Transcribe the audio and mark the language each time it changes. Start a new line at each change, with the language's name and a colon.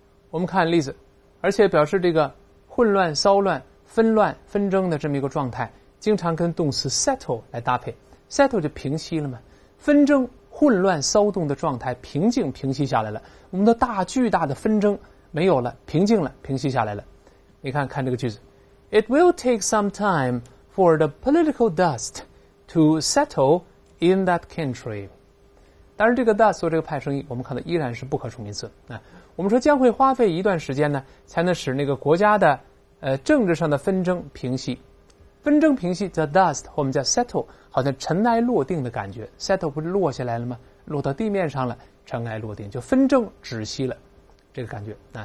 Chinese: 我们看例子，而且表示这个混乱、骚乱、纷乱、纷争的这么一个状态，经常跟动词 settle 来搭配 ，settle 就平息了嘛。纷争、混乱、骚动的状态平静平息下来了，我们的大巨大的纷争没有了，平静了，平息下来了。你看看这个句子。
English: It will take some time for the political dust to settle in that country.
Chinese: 当然这个 dust 做这个派生意，我们看到依然是不可数名词。我们说将会花费一段时间呢，才能使那个国家的政治上的纷争平息。纷争平息叫 dust， 我们叫 settle， 好像尘埃落定的感觉。 settle 不是落下来了吗？落到地面上了，尘埃落定，就纷争止息了，这个感觉。